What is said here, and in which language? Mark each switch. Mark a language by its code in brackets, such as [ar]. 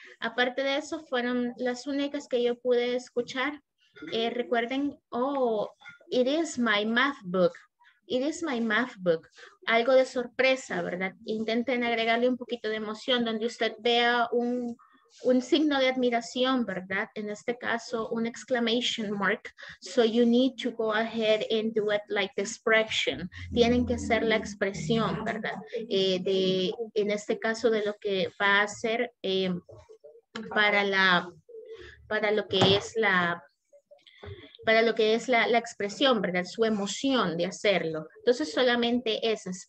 [es] Aparte de eso, fueron las únicas que yo pude escuchar. Recuerden, [en] it is my math book. It is my math book. [es] Algo de sorpresa, ¿verdad? Intenten agregarle un poquito de emoción donde usted vea un signo de admiración, ¿verdad? En este caso, un [en] exclamation mark. So you need to go ahead and do it like the expression. [es] Tienen que hacer la expresión, ¿verdad? En este caso, de lo que va a hacer para lo que es la expresión, ¿verdad? Su emoción de hacerlo. Entonces, solamente esas.